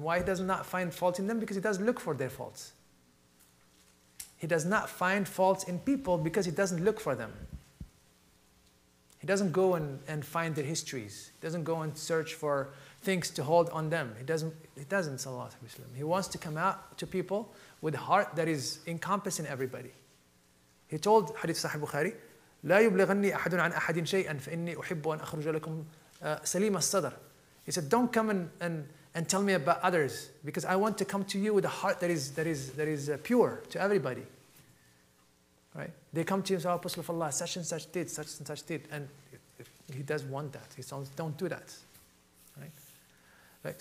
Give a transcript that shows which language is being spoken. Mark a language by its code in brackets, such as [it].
[en] Why he does not find fault in them? Because he does look for their faults. He does not find faults in people because he doesn't look for them. He doesn't go and find their histories. He doesn't go and search for things to hold on them. He doesn't, sallallahu alayhi wa sallam. He wants to come out to people with a heart that is encompassing everybody. He told Hadith Sahih Bukhari, [ar] لا يبلغني أحد عن أحد شيئا فإني أحب أن أخرج لكم سليم الصدر. [en] He said, don't come and tell me about others because I want to come to you with a heart that is pure to everybody. Right? They come to him and say, Apostle of Allah, such and such did, such and such did. And he does want that. He says, don't do that. Right?